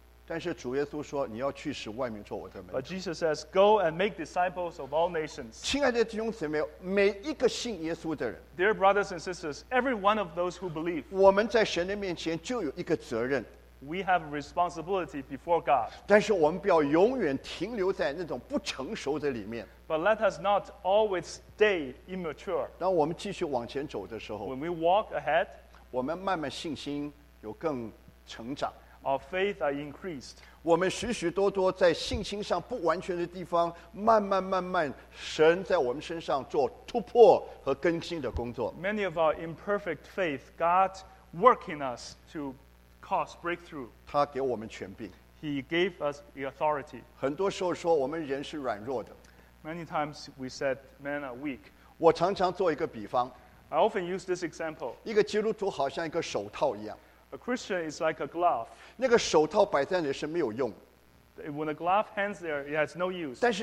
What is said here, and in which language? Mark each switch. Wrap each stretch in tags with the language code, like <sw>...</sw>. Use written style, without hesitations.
<zh>但是主耶稣说, 你要去使万民做我的门徒。</zh> <en>But Jesus says, go and make disciples of all nations.</en> <zh>亲爱的弟兄姊妹, 每一个信耶稣的人,</zh> <en>dear brothers and sisters, every one of those who believe,</en> <zh>我们在神的面前就有一个责任。</zh> <en>We have a responsibility before God.</en> <zh>但是我们不要永远停留在那种不成熟的里面。</zh> <en>But let us not always stay immature.</en> <zh>当我们继续往前走的时候,</zh> <en>when we walk ahead,</en> <zh>我们慢慢信心有更成长。</zh> <en>Our faith are increased.</en> <zh>我们许许多多在信心上不完全的地方, 慢慢慢慢, 神在我们身上做突破和更新的工作。</zh> <en>Many of our imperfect faith, God work in us to cause breakthrough.</en> <zh>他给我们权柄。</zh> <en>He gave us the authority.</en> <zh>很多时候说我们人是软弱的。</zh> <en>Many times we said men are weak.</en> <zh>我常常做一个比方。</zh> <en>I often use this example.</en> <zh>一个基督徒好像一个手套一样。</zh> <en>A Christian is like a glove.</en> <zh>那个手套摆在那里是没有用,</zh> <en>when a glove hangs there, it has no use.</en>